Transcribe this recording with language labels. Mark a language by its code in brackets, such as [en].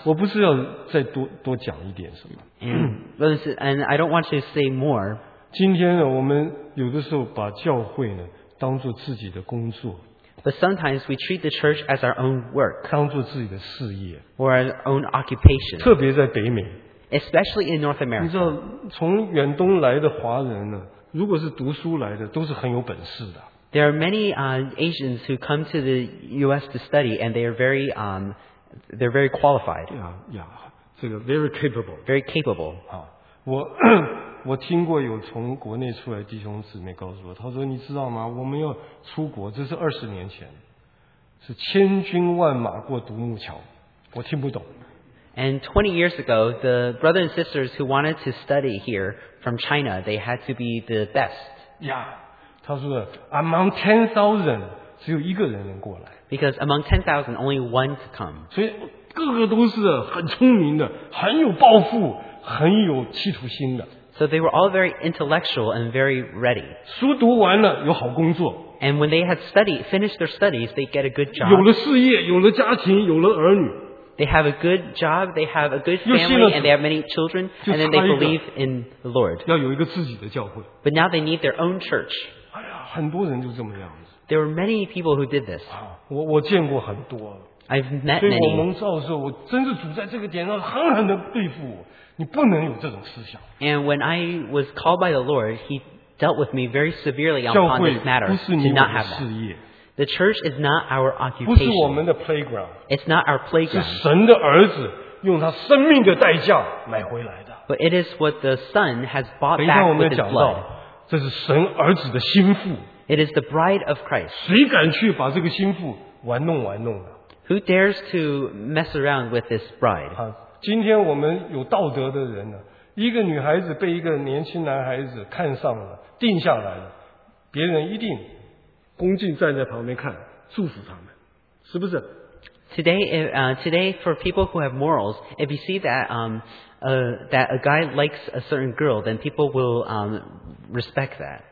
[zh] 我不是要再多讲一点什么。 [en] And I don't want to say more. [zh] 今天呢，我们有的时候把教会呢当做自己的工作。 [en] But sometimes we treat the church as our own work. [zh] 当做自己的事业。 [en] Or our own occupation. [zh] 特别在北美。 [en] Especially in North America. [zh] 你知道，从远东来的华人呢？如果是读书来的，都是很有本事的。 [en] There are many Asians who come to the U.S. to study, and they are very qualified. Yeah, 这个 very capable. Very capable. [zh] 啊，我听过有从国内出来弟兄姊妹告诉我，他说你知道吗？我们要出国，这是20年前，是千军万马过独木桥，我听不懂。 [en] And 20 years ago, the brothers and sisters who wanted to study here from China, they had to be the best. Yeah. [zh] 他说, [en] among 10,000, [zh] 只有一个人能过来。 [en] Because among 10,000, only one to come. [zh] 所以个个都是很聪明的，很有抱负，很有企图心的。 [en] So they were all very intellectual and very ready. [zh] 书读完了，有好工作。 [en] And when they had finished their studies, they get a good job. [zh] 有了事业，有了家庭，有了儿女。 [en] They have a good job, they have a good family, and they have many children, and then they believe in the Lord. But now they need their own church. [zh] 哎呀，很多人就这么样子。 [en] There were many people who did this. [zh] 啊，我见过很多。 [en] I've met many. [zh] 所以我蒙召的时候，我真是主在这个点上狠狠地对付我。你不能有这种思想。 [en] And when I was called by the Lord, he dealt with me very severely upon this matter. [zh] 教会不是你的事业。 [en] The church is not our occupation. [zh] 不是我们的 playground. [en] It's not our playground. [zh] 是神的儿子用他生命的代价买回来的。 [en] But it is what the Son has bought back with his blood. [zh] 等一下我们讲到，这是神儿子的心腹。 [en] It is the bride of Christ. [zh] 谁敢去把这个心腹玩弄呢？ [en] Who dares to mess around with this bride? [zh] 今天我们有道德的人呢，一个女孩子被一个年轻男孩子看上了，定下来了，别人一定恭敬站在旁边看，祝福他们，是不是？ [en] Today, for people who have morals, if you see that, that a guy likes a certain girl, then people will, respect that.